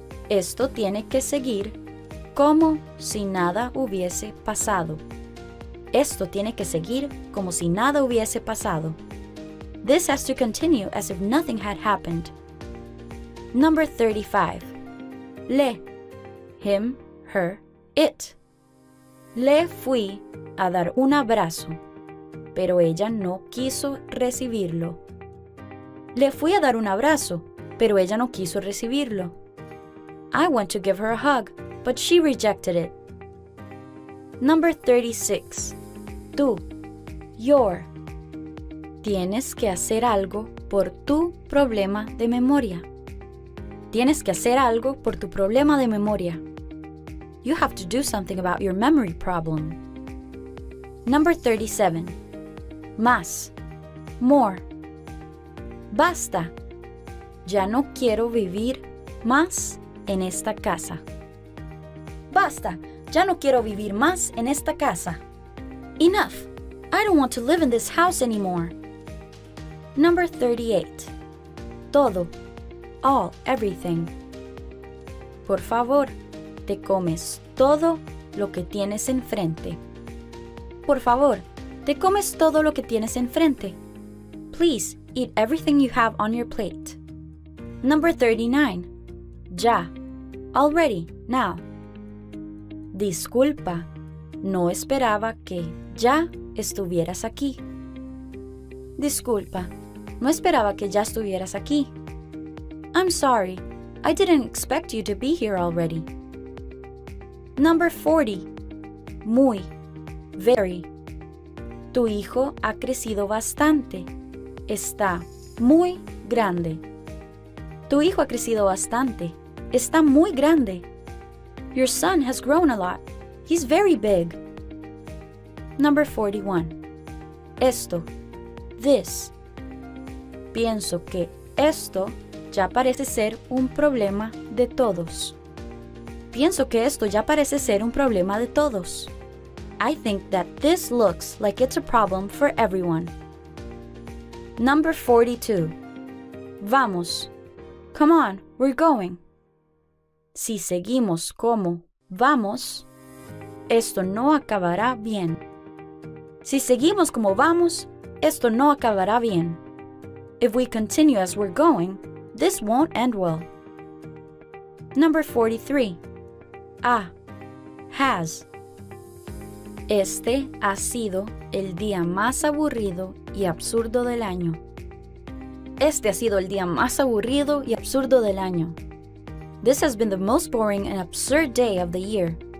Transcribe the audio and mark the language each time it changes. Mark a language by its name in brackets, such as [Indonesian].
[Spanish] Esto tiene que seguir como si nada hubiese pasado. Esto tiene que seguir como si nada hubiese pasado. [English] This has to continue as if nothing had happened. Number 35. Le. Him, her, it. [Spanish] Le fui a dar un abrazo, pero ella no quiso recibirlo. Le fui a dar un abrazo, pero ella no quiso recibirlo. [English] I want to give her a hug, but she rejected it. Number 36. Tú. Your. [Spanish] Tienes que hacer algo por tu problema de memoria. Tienes que hacer algo por tu problema de memoria. [English] You have to do something about your memory problem. Number 37. Más. More. Basta. [Spanish] Ya no quiero vivir más en esta casa. Basta. Ya no quiero vivir más en esta casa. [English] Enough. I don't want to live in this house anymore. Number 38. Todo. All. Everything. [Spanish] Por favor, te comes todo lo que tienes enfrente. Por favor, te comes todo lo que tienes enfrente. [English] Please, eat everything you have on your plate. Number 39. [Spanish] Ya. [English] Already. Now. [Spanish] Disculpa. No esperaba que ya estuvieras aquí. Disculpa. No esperaba que ya estuvieras aquí. [English] I'm sorry. I didn't expect you to be here already. Number 40. Muy. [Spanish] Very. Tu hijo ha crecido bastante. Está muy grande. Tu hijo ha crecido bastante. Está muy grande. [English] Your son has grown a lot. He's very big. Number 41. Esto. This. [Spanish] Pienso que esto ya parece ser un problema de todos. Pienso que esto ya parece ser un problema de todos. [English] I think that this looks like it's a problem for everyone. Number 42. Vamos. Come on, we're going. [Spanish] Si seguimos como vamos, esto no acabará bien. Si seguimos como vamos, esto no acabará bien. [English] If we continue as we're going, this won't end well. Number 43. Ah. Has. [Spanish] Este ha sido el día más aburrido y absurdo del año. Este ha sido el día más aburrido y absurdo del año. [English] This has been the most boring and absurd day of the year.